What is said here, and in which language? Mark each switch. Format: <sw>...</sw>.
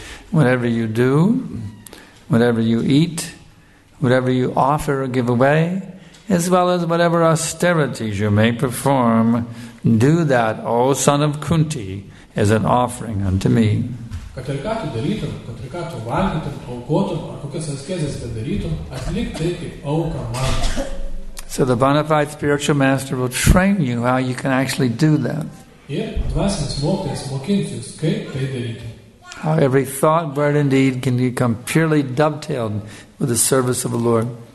<en>Whatever you do, whatever you eat, whatever you offer or give away, as well as whatever austerities you may perform, do that, O son of Kunti, as an offering unto me.</en> <lt>Kad ir ką tu darytum, kad ir ką tu valgytum, aukotum, ar kokias askezes bedarytum, atlik tai kaip auką man.</lt> <en>So the bona fide spiritual master will train you how you can actually do that.</en> <lt>Ir dvasinis mokytojas mokins jus, kaip tai daryti.</lt> <en>How every thought, word, and deed can become purely dovetailed with the service of the Lord.</en>